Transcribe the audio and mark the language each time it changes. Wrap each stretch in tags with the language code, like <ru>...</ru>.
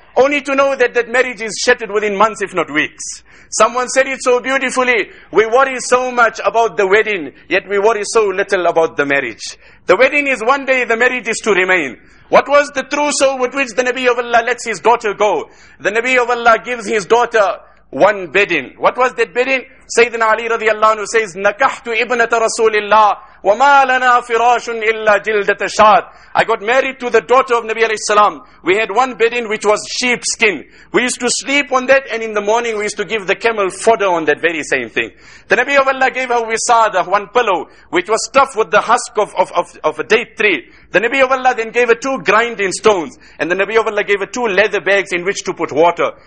<en>Only to know that marriage is shattered within months, if not weeks. Someone said it so beautifully. We worry so much about the wedding, yet we worry so little about the marriage. The wedding is one day, the marriage is to remain. What was the trousseau with which the Nabi of Allah lets his daughter go? The Nabi of Allah gives his daughter one bedin. What was that bedin?</en> <ar>Sayyidina Ali radiallahu anhu says, نَكَحْتُ إِبْنَةَ رَسُولِ اللَّهِ وَمَا لَنَا فِرَاشٌ إِلَّا جِلْدَةَ شَاد.</ar> <en>I got married to the daughter of Nabi alayhi salam. We had one bedin which was sheepskin. We used to sleep on that and in the morning we used to give the camel fodder on that very same thing. The Nabi of Allah gave her wisada, one pillow, which was stuffed with the husk of a date tree. The Nabi of Allah then gave her two grinding stones. And the Nabi of Allah gave her two leather bags in which to put water.</en>